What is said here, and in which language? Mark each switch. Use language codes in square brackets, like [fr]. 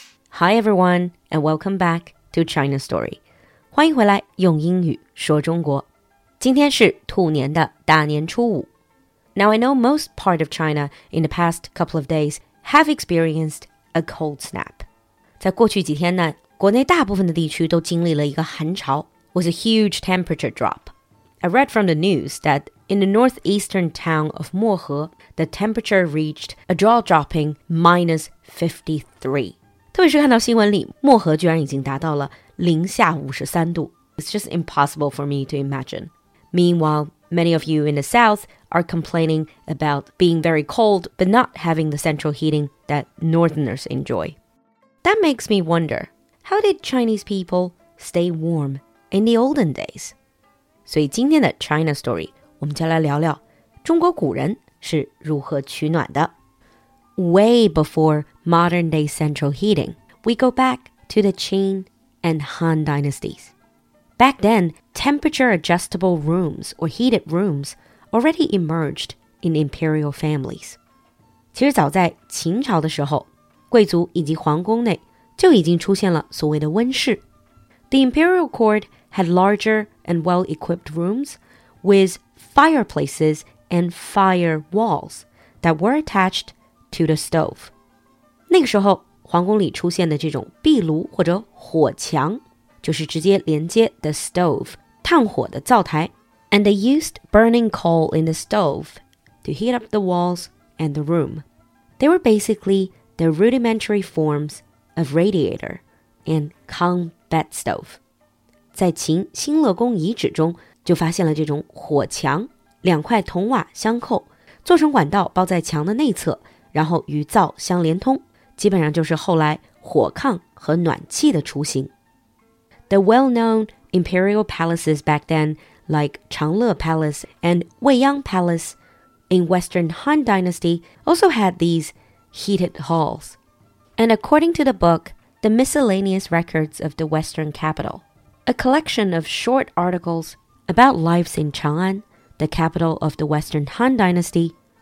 [en] Hi everyone, and welcome back to China Story. [zh] 欢迎回来用英语说中国。今天是兔年的大年初五。 [en] Now I know most part of China in the past couple of days have experienced a cold snap. [zh] 在过去几天呢，国内大部分的地区都经历了一个寒潮 [en] with a huge temperature drop. I read from the news that in the northeastern town of Mohe, the temperature reached a jaw-dropping -53. [zh] 特别是看到新闻里，漠河居然已经达到了-53°. [en] It's just impossible for me to imagine. Meanwhile, many of you in the south are complaining about being very cold but not having the central heating that northerners enjoy. That makes me wonder, how did Chinese people stay warm in the olden days? [zh] 所以今天的 China Story, 我们就来聊聊中国古人是如何取暖的。 [en] Way before modern-day central heating, we go back to the Qin and Han dynasties. Back then, temperature-adjustable rooms or heated rooms already emerged in imperial families. [zh] 其实早在秦朝的时候，贵族以及皇宫内就已经出现了所谓的温室。 [en] The imperial court had larger and well-equipped rooms with fireplaces and fire walls that were attached to the stove. [zh] 那个时候皇宫里出现的这种壁炉或者火墙就是直接连接 [en] the stove, [zh] 炭火的灶台。 [en] And they used burning coal in the stove to heat up the walls and the room. They were basically the rudimentary forms of radiator and cone bed stove. [zh] 在秦新乐宫遗址中就发现了这种火墙，两块铜瓦相扣，做成管道包在墙的内侧，然后与灶相连通。基本上就是后来火炕和暖气的雏形。 [en] The well-known imperial palaces back then, like Changle Palace and Weiyang Palace in Western Han Dynasty, also had these heated halls. And according to the book, The Miscellaneous Records of the Western Capital, a collection of short articles about lives in Chang'an, the capital of the Western Han Dynasty,